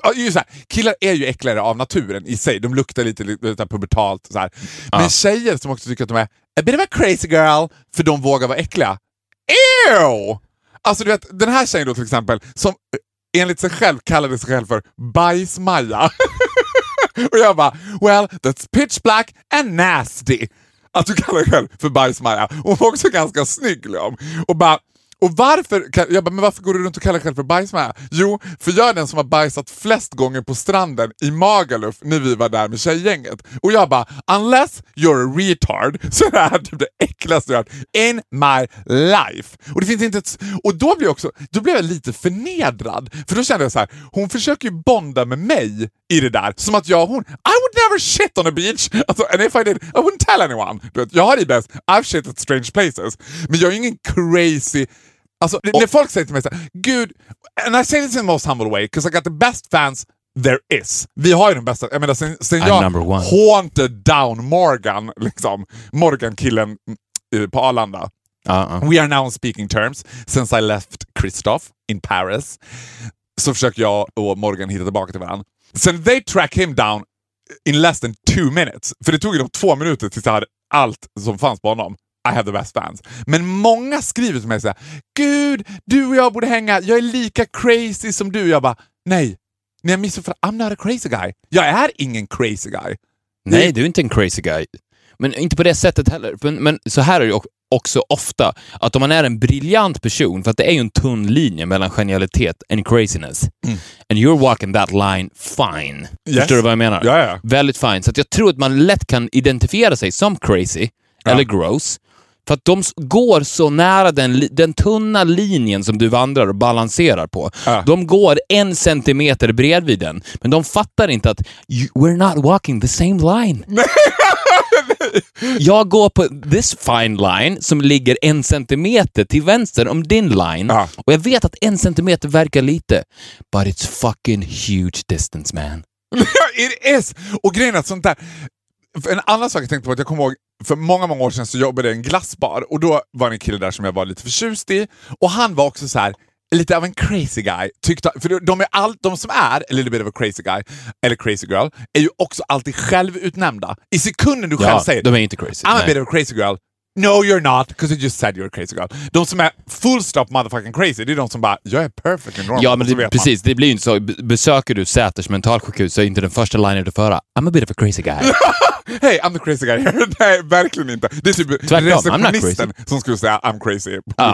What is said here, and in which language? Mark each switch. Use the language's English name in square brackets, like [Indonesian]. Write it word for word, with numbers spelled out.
[Swedish] Ju så här, killar är ju äckligare av naturen i sig. De luktar lite, lite pubertalt. Så här. Men uh. tjejer som också tycker att de är [English] a bit of a crazy girl. [Swedish] För de vågar vara äckliga. Ew! Alltså du vet, den här tjejen då till exempel, som enligt sig själv kallade sig själv för bajsmaja. [English] Och jag bara, well, that's pitch black and nasty. [Swedish] Att du kallar dig själv för bajsmaja. Hon var också ganska snygg. Liksom. Och bara, och varför, jag bara, men varför går du runt och kallar dig själv för bajsmaja? Jo, för jag är den som har bajsat flest gånger på stranden i Magaluf när vi var där med tjejgänget. Och jag bara, [English] unless you're a retard, [Swedish] så är det här typ det äckligaste jag har hört [English] in my life. [Swedish] Och det finns inte ett, och då blev jag också, då blev jag lite förnedrad. För då kände jag så här, hon försöker ju bonda med mig i det där. Som att jag och hon, [English] I would never shit on a beach. Alltså, and if I did, I wouldn't tell anyone. [Swedish] Jag har det bäst, [English] I've shit at strange places. [Swedish] Men jag är ingen crazy... Alltså, och, när folk säger till mig så här, gud, [English] and I say this in the most humble way, 'cause I got the best fans there is. [Swedish] Vi har ju den bästa, jag menar, sen, sen jag [English] haunted down [Swedish] Morgan, liksom, Morgan-killen uh, på Arlanda. Uh-uh. [English] We are now on speaking terms, since I left Christophe in Paris. [Swedish] Så försöker jag och Morgan hitta tillbaka till varandra. [English] Sen they track him down in less than two minutes. [Swedish] För det tog ju dem två minuter tills jag hade allt som fanns på honom. [English] I have the best fans. [Swedish] Men många skriver till mig så här, gud, du och jag borde hänga. Jag är lika crazy som du. Jag bara, nej. Ni har missat för [English] I'm not a crazy guy. [Swedish] Jag är ingen crazy guy. Nej, du är inte en crazy guy. Men inte på det sättet heller. Men, men så här är det också ofta att om man är en briljant person, för att det är ju en tunn linje mellan genialitet [English] and craziness. Mm. And you're walking that line fine. Yes. [Swedish] Förstår du vad jag menar? Ja, ja. Väldigt fine. Så att jag tror att man lätt kan identifiera sig som crazy, ja, eller gross. För att de går så nära den, den tunna linjen som du vandrar och balanserar på. Uh. De går en centimeter bredvid den. Men de fattar inte att [English] you, we're not walking the same line. [Swedish] Jag går på [English] this fine line [Swedish] som ligger en centimeter till vänster om din line. Uh. Och jag vet att en centimeter verkar lite. [English] But it's fucking huge distance, man. It is. [Swedish] Och grejen är att sånt där... En annan sak jag tänkte på att jag kommer ihåg, för många, många år sedan så jobbade jag i en glassbar. Och då var det en kille där som jag var lite förtjust i. Och han var också så här lite av en crazy guy. Tyckte, för de, är all, de som är [English] a little bit of a crazy guy [Swedish] eller crazy girl är ju också alltid självutnämnda. I sekunden du ja, själv säger de är inte crazy. [English] I'm nej. a bit of a crazy girl. No, you're not, because you just said you're a crazy girl. [Swedish] De som är [English] full stop motherfucking crazy, [Swedish] det är de som bara, jag är [English] perfect and normal. [Swedish] Ja, men det, precis, det blir ju inte så. Besöker du Säters mentalsjukhus så är inte den första linjen du föra, [English] I'm a bit of a crazy guy. Hey, I'm the crazy guy. [Swedish] Nej, verkligen inte. Det är typ receptionisten som skulle säga [English] I'm crazy [Swedish] på ah.